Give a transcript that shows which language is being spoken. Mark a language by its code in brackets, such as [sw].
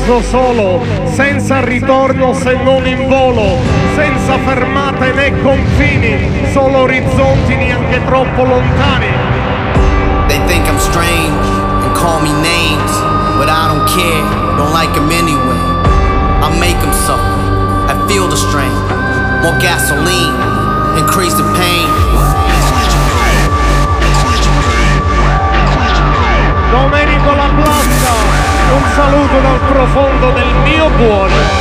[it] Solo, senza ritorno se non in volo, senza fermate né confini, solo orizzonti neanche troppo lontani. [en] They think I'm strange and call me names, but I don't care, don't like them anyway. I make them suffer, I feel the strain, more gasoline, increase the pain. [it] Domenico La Plaza, un saluto dal profondo del mio cuore.